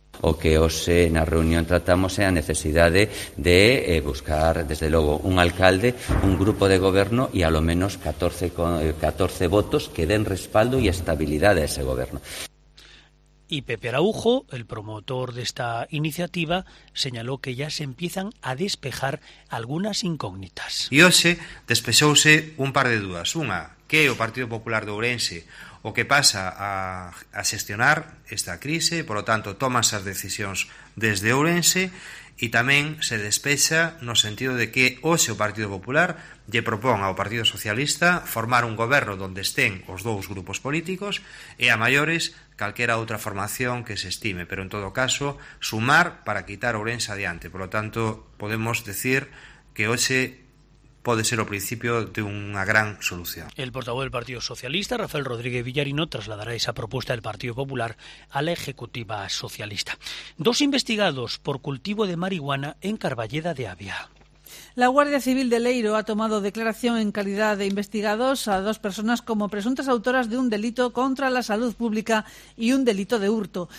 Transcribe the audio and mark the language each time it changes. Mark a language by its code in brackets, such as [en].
[gl] O que hoxe na reunión tratamos é a necesidade de buscar, desde logo, un alcalde, un grupo de goberno e, alo menos, 14 votos que den respaldo e estabilidade a ese goberno. [es] Y Pepe Araújo, el promotor de esta iniciativa, señaló que ya se empiezan a despejar algunas incógnitas. [gl] E hoxe despexouse un par de dúas. Unha, que o Partido Popular de Ourense o que pasa a xestionar esta crise, [es] por lo tanto, [gl] toma esas decisións desde Ourense e tamén se despexa no sentido de que hoxe o Partido Popular lle propón ao Partido Socialista formar un goberno onde estén os dous grupos políticos e a maiores calquera outra formación que se estime, pero en todo caso sumar para quitar Ourense adiante. [es] Por lo tanto, podemos decir que [gl] hoxe pode ser o principio de unha gran solución. [es] El portavoz del Partido Socialista, Rafael Rodríguez Villarino, trasladará esa propuesta del Partido Popular a la Ejecutiva Socialista. Dos investigados por cultivo de marihuana en Carballeda de Avia. La Guardia Civil de Leiro ha tomado declaración en calidad de investigados a dos personas como presuntas autoras de un delito contra la salud pública y un delito de hurto.